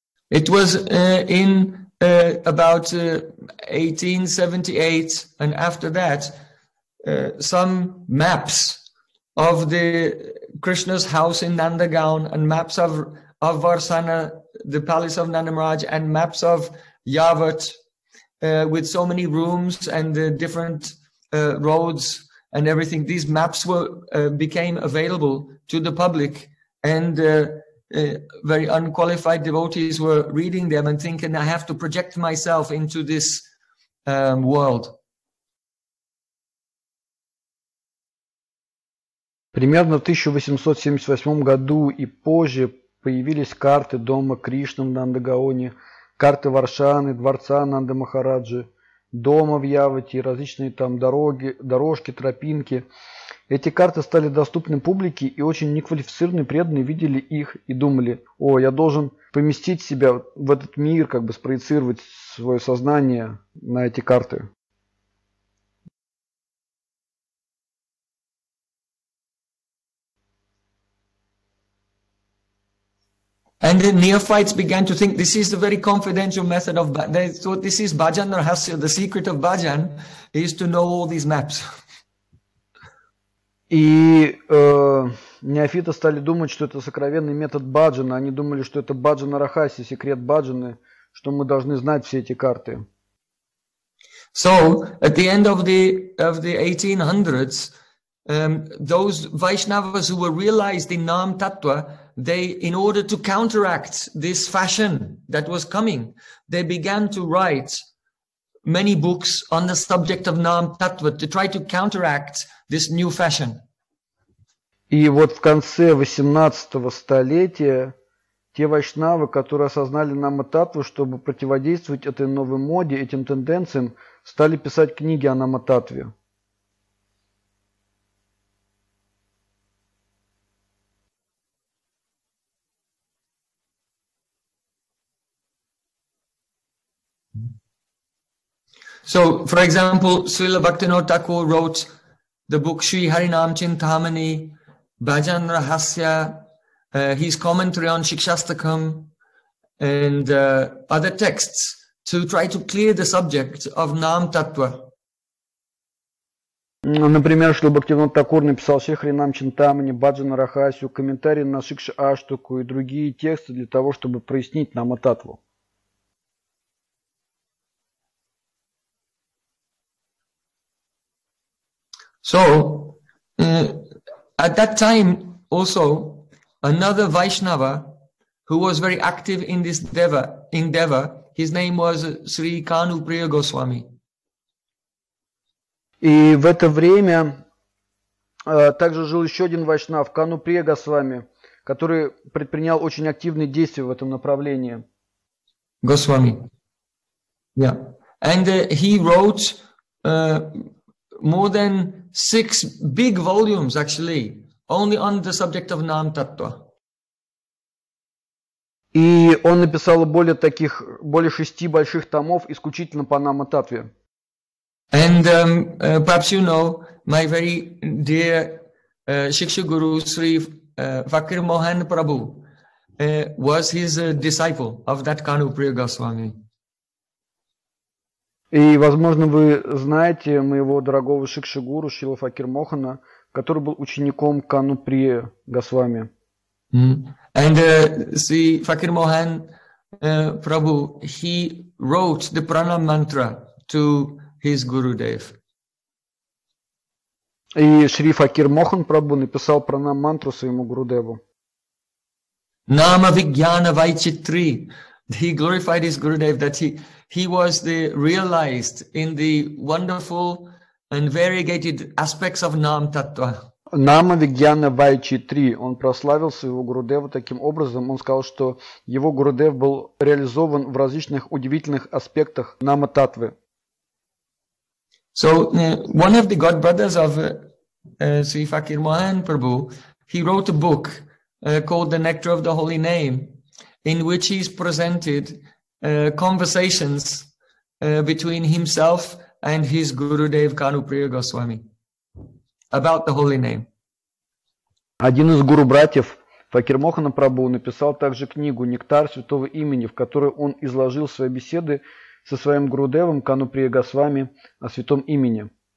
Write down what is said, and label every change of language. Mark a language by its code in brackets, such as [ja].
[en] It was in about 1878, and after that, some maps of the Krishna's house in Nandagaon, and maps of Varsana, the palace of Nandamaraj, and maps of Yavat, with so many rooms and the different roads and everything. These maps were became available to the public, and very unqualified devotees were reading them and thinking, I have to project myself into this world. [ru] Примерно в 1878 году и позже появились карты дома Кришны в Нандагаоне, карты Варшаны, дворца Нанда Махараджи, дома в Явате, различные там дороги, дорожки, тропинки. Эти карты стали доступны публике, и очень неквалифицированные преданные видели их и думали: «О, я должен поместить себя в этот мир, как бы спроецировать свое сознание на эти карты». [en] And the neophytes began to think this is the very confidential method of they thought this is bhajan rahasya, the secret of bhajan is to know all these maps. [ru] И неофиты стали думать, что это сокровенный метод баджана. Они думали, что это баджана рахаси, секрет баджаны, что мы должны знать все эти карты. [en] So, at the end of the 1800s, those Vaishnavas who were realized in Nama-Tattva, they, in order to counteract this fashion that was coming, they began to write many books on the subject of Nama-Tattva to try to counteract this new fashion. [ru] И вот в конце 18-го столетия те вайшнавы, которые осознали Нама-Таттву, чтобы противодействовать этой новой моде, этим тенденциям, стали писать книги о Нама-Таттве. [en] So, for example, Srila Bhaktivinoda Thakur wrote the book Sri Harinam Chintamani, Bhajan Rahasya, his commentary on Shikshastakam, and other texts to try to clear the subject of Nama-Tattva. [ru] Например, Шри Бхактивинода Такур написал Шри Харинам Чинтамани, Бхаджан Рахасю, комментарии на Шикша Аштуку и другие тексты для того, чтобы прояснить Нама-Таттву. [en] So, at that time, also, another Vaishnava who was very active in this endeavor, his name was Sri Kanu Priya Goswami. [ru] И в это время также жил еще один вайшнав, Кану Прия Госвами, который предпринял очень активные действия в этом направлении. Госвами. Yeah. [en] And he wrote more than six big volumes, actually, only on the subject of Nama-Tattva. [ru] И он написал более таких, более шести больших томов исключительно по Нама-Таттве. [en] And perhaps you know my very dear Shiksha Guru Sri Fakir Mohan Prabhu was his disciple of that Kanu Priya Goswami. [ru] И, возможно, вы знаете моего дорогого Шикши Гуру Шрила Факир Мохана, который был учеником Кану Прия Госвами. Mm. [en] And Sri Fakir Mohan Prabhu, he wrote the Prana Mantra to his Guru Dev. [ru] И Шри Факир Мохан Прабху написал пранам мантру своему Гуру Деву. [sa] Нама Вигьяна Вайчитри. [en] He glorified his Guru Dev that he was the realized in the wonderful and variegated aspects of Nama Tattva. [sa] Нама Вигьяна Вайчитри. [ru] Он прославил своего Гуру Деву таким образом. Он сказал, что его Гуру Дев был реализован в различных удивительных аспектах Нама Таттвы. [en] So one of the godbrothers of Sri Fakir Mohan Prabhu, he wrote a book called The Nectar of the Holy Name, in which he's presented conversations between himself and his Gurudev Kanu Priya Goswami about the Holy Name. [ru] Один из гуру-братьев Факир Мохана Прабху написал также книгу «Нектар святого имени», в которой он изложил свои беседы со своим Гурудевом Кану Прия Госвами о святом имени.